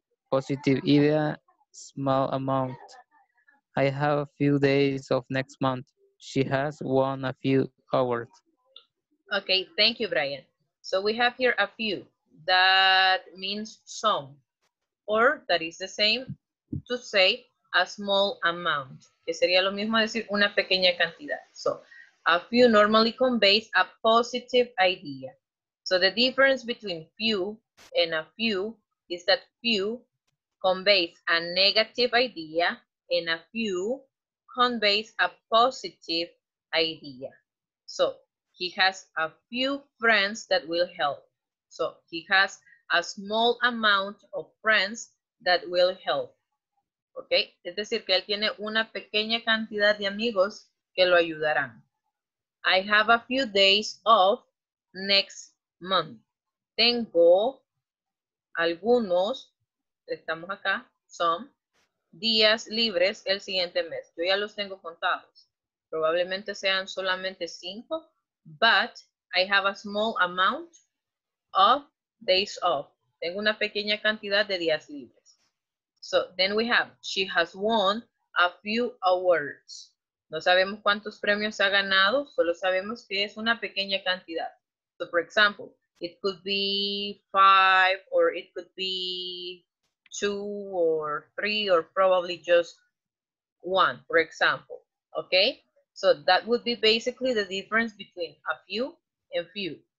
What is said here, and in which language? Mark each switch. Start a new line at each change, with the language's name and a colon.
English: Positive idea, small amount. I have a few days of next month. She has won a few awards. Okay, thank you, Brian. So we have here a few. That means some. Or that is the same to say a small amount.
Spanish: Que sería lo mismo decir una pequeña cantidad.
English: So a few normally conveys a positive idea. So the difference between few and a few is that few conveys a negative idea and a few conveys a positive idea. So he has a few friends that will help. So he has a small amount of friends that will help. Okay?
Spanish: Es decir, que él tiene una pequeña cantidad de amigos que lo ayudarán.
English: I have a few days off next month.
Spanish: Tengo algunos, estamos acá, some, días libres el siguiente mes. Yo ya los tengo contados. Probablemente sean solamente 5,
English: but I have a small amount of days off.
Spanish: Tengo una pequeña cantidad de días libres.
English: So then we have, she has won a few awards.
Spanish: No sabemos cuántos premios ha ganado, solo sabemos que es una pequeña cantidad.
English: So, for example, it could be 5, or it could be 2, or 3, or probably just 1, for example. Okay? So, that would be basically the difference between a few and few.